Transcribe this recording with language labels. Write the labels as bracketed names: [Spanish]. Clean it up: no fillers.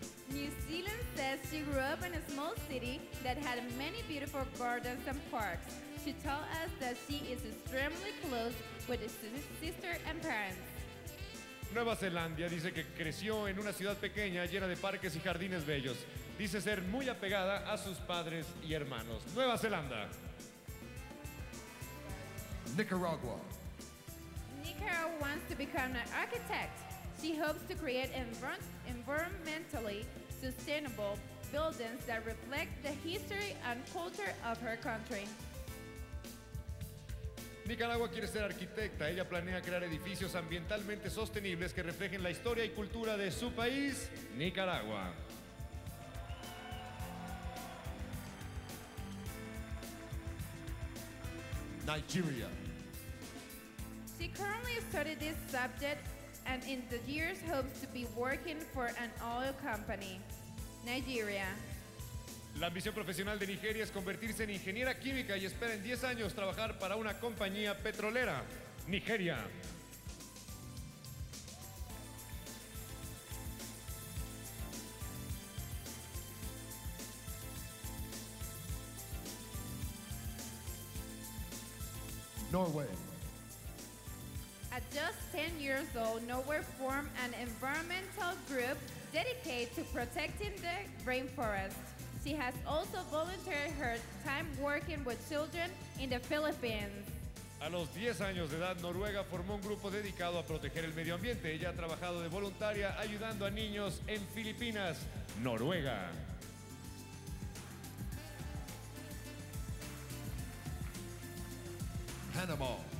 [English] New Zealand says she grew up in a small city that had many beautiful gardens and parks. She told us that she is extremely close with his sister and parents. [Spanish] Nueva Zelanda dice que creció en una ciudad pequeña llena de parques y jardines bellos. Dice ser muy apegada a sus padres y hermanos. Nueva Zelanda. [English] Nicaragua. Nicaragua wants to become an architect. She hopes to create environmentally sustainable buildings that reflect the history and culture of her country. [Spanish] Nicaragua quiere ser arquitecta. Ella planea crear edificios ambientalmente sostenibles que reflejen la historia y cultura de su país, Nicaragua. [English] Nigeria. She currently studies this subject and in the years hopes to be working for an oil company. [Spanish] Nigeria. La ambición profesional de Nigeria es convertirse en ingeniera química y espera en 10 años trabajar para una compañía petrolera. Nigeria. [English] Norway. At just 10 years old, Norway formed an environmental group dedicated to protecting the rainforest. She has also volunteered her time working with children in the Philippines. [Spanish] A los 10 años de edad, Noruega formó un grupo dedicado a proteger el medio ambiente. Ella ha trabajado de voluntaria ayudando a niños en Filipinas, Noruega. [English] Panama.